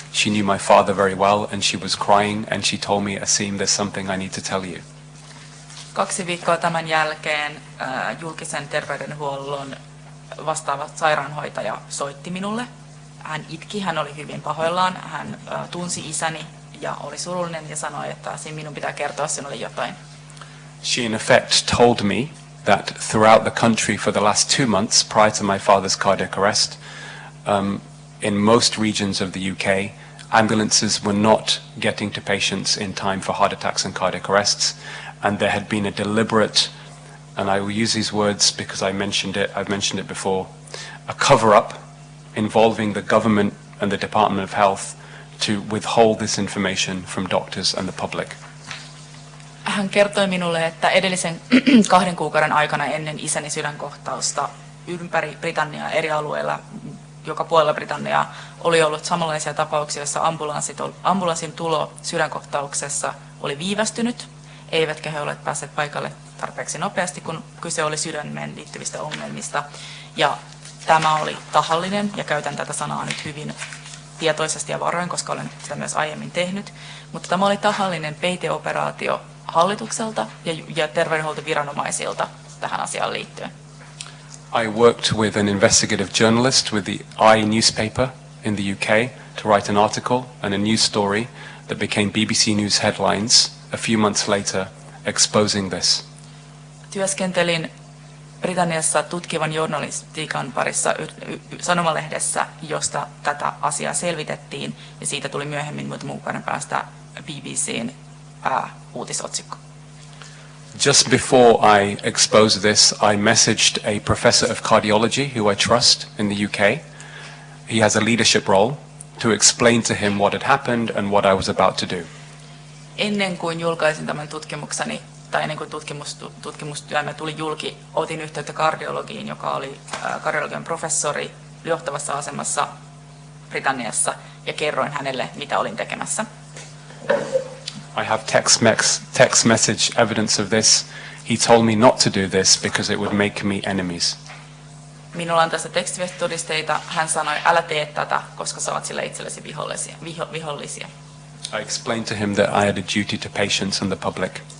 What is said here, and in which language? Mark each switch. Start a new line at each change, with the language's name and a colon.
English: She knew my father very well, and she was crying, and she told me, "Asim, there's something I need to tell you."
Finnish: 2 viikkoa tämän jälkeen julkisen terveydenhuollon vastaava sairaanhoitaja soitti minulle. Hän itki, hän oli hyvin pahoillaan. Hän tunsi isäni ja oli surullinen ja sanoi, että Asim, minun pitää kertoa sinulle jotain.
English: She in effect told me that throughout the country for the last 2 months prior to my father's cardiac arrest, in most regions of the UK, ambulances were not getting to patients in time for heart attacks and cardiac arrests, and there had been a deliberate, and I will use these words because I've mentioned it before, a cover-up involving the government and the Department of Health to withhold this information from doctors and the public.
Finnish: Hän kertoi minulle, että edellisen 2 kuukauden aikana ennen isäni sydänkohtausta ympäri Britanniaa eri alueilla, joka puolella Britanniaa, oli ollut samanlaisia tapauksia, joissa ambulanssin tulo sydänkohtauksessa oli viivästynyt, eivätkä he olleet päässeet paikalle tarpeeksi nopeasti, kun kyse oli sydämeen liittyvistä ongelmista. Ja tämä oli tahallinen, ja käytän tätä sanaa nyt hyvin tietoisesti ja varoin, koska olen sitä myös aiemmin tehnyt, mutta tämä oli tahallinen peiteoperaatio hallitukselta ja terveydenhuoltoviranomaisilta tähän asiaan liittyen.
English: I worked with an investigative journalist with the I newspaper in the UK to write an article and a news story that became BBC News headlines a few months later exposing this.
Finnish: Työskentelin Britanniassa tutkivan journalistiikan parissa sanomalehdessä, josta tätä asiaa selvitettiin, ja siitä tuli myöhemmin muutaman kuukauden päästä BBC:n uutisotsikko.
English: Just before I exposed this, I messaged a professor of cardiology who I trust in the UK. He has a leadership role, to explain to him what had happened and what I was about to do.
Finnish: Ennen kuin julkaisin tämän tutkimukseni, tai ennen kuin tutkimustyömme tuli julki, otin yhteyttä kardiologiin, joka oli kardiologian professori johtavassa asemassa Britanniassa, ja kerroin hänelle, mitä olin tekemässä.
English: I have text message evidence of this. He told me not to do this because it would make me enemies.
Finnish: Minulla on tästä tekstiviestitodisteita. Hän sanoi, älä tee tätä, koska saat sillä itsellesi vihollisia.
English: I explained to him that I had a duty to patients and the public.